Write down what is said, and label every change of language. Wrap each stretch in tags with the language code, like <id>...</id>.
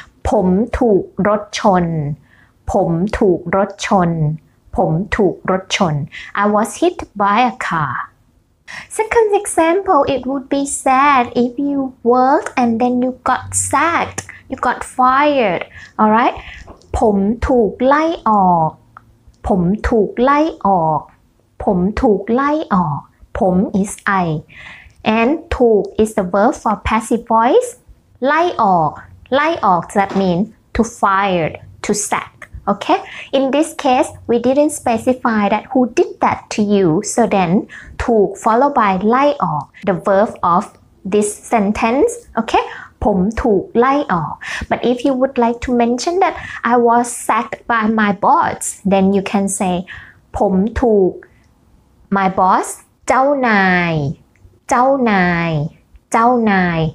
<th>ผมถูกรถชนผมถูกรถชนผมถูกรถชน</th> <en>I was hit by a carSecond example, it would be sad if you worked and then you got sacked, you got fired, alright?</en> <th>ผมถูกไล่ออกผมถูกไล่ออกผมถูกไล่ออกผม</th> <en>is I and ถูก is the verb for passive voice</en> <th>ไล่ออกไล่ออก</th> <en>that means to fire, to sack. Okay, in this case, we didn't specify that who did that to you. So then, thuk followed by lai ok, the verb of this sentence. Okay,</en> <th>pom thuk lai ok.</th> <en>But if you would like to mention that I was sacked by my boss, then you can say pom thuk my boss,</en> <th>jau nai, jau nai, jau nai.</th>